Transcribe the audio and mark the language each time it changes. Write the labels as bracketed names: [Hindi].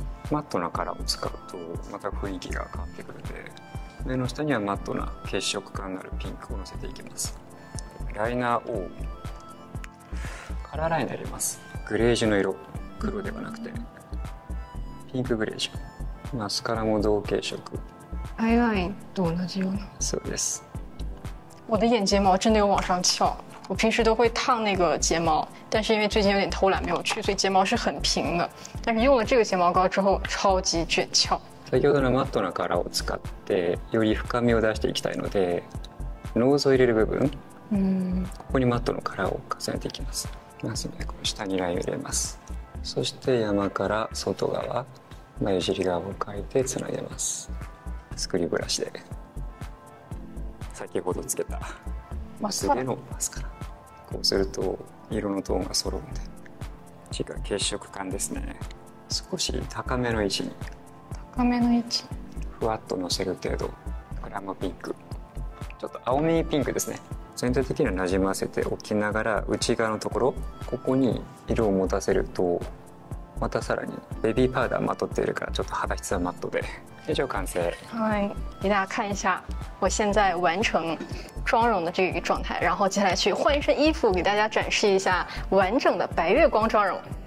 [Japanese] マットなカラーを使うとまた雰囲気が変わってくるので、目の下にはマットな血色感のあるピンクをのせていきます。ライナーをカラーラインで入れます。グレージュの色、黒ではなくてピンクグレージュ。マスカラも同系色、アイラインと同じような。そうです。 [Chinese] 我的眼睫毛真的有往上翘。我平时都会烫那个睫毛，但是因为最近有点偷懒没有去，所以睫毛是很平的。但是用了这个睫毛膏之后，超级卷翘。 [Japanese] 先ほどのマットなカラーを使って、より深みを出していきたいので、ノーズを入れる部分、ここにマットのカラーを重ねていきます。まずね、この下にラインを入れます。そして山から外側、眉尻側を描いてつなげます。スクリーブラシで。先ほどつけた。マスカラ、薄毛のマスカラ。こうすると色のトーンが揃うので、次が血色感ですね。少し高めの位置に、高めの位置、ふわっとのせる程度。グラムピンク、ちょっと青みピンクですね。全体的にはなじませておきながら、内側のところ、ここに色を持たせると、またさらにベビーパウダーまとっているから、ちょっと肌質はマットで。以上完成。 [Chinese] はい、给大家看一下我现在完成妆容的这个状态，然后接下来去换一身衣服，给大家展示一下完整的白月光妆容。